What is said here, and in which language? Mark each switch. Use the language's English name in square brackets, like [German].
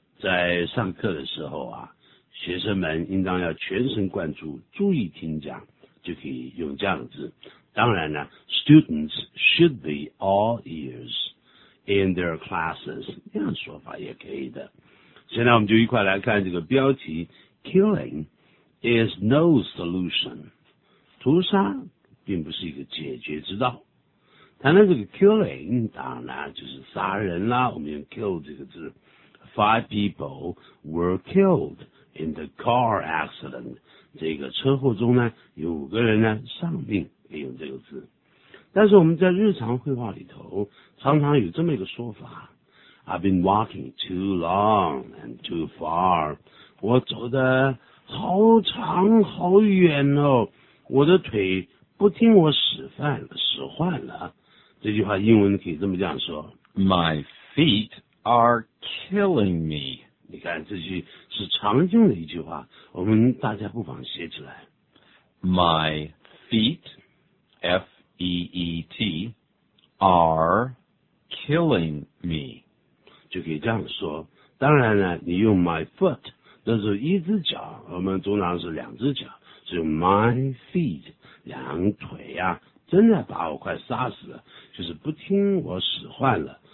[Chinese] 在上课的时候啊，学生们应当要全神贯注，注意听讲，就可以用这样的字。当然呢 [English] ，students should be all ears in their classes， [Chinese] 这样说法也可以的。现在我们就一块来看这个标题 ： [English] Killing is no solution， [Chinese] 屠杀并不是一个解决之道。谈到这个 killing， 当然就是杀人啦，我们用 kill 这个字。 [English] Five people were killed. In the car accident, [Chinese] 这个车祸中呢，有五个人呢丧命，可以用这个字。但是我们在日常会话里头常常有这么一个说法， [English] I've been walking too long and too far， [Chinese] 我走得好长好远哦，我的腿不听我使唤使唤了。这句话英文可以这么这样说， [English] My feet are killing me。 [Chinese] 你看这句是常用的一句话，我们大家不妨写起来。 [English] My feet, F-E-E-T, are killing me. [Chinese] 就可以这样说。当然呢，你用 my foot, 那是一只脚，我们通常是两只脚，是 my feet, 两腿啊，真的把我快杀死了，就是不听我使唤了。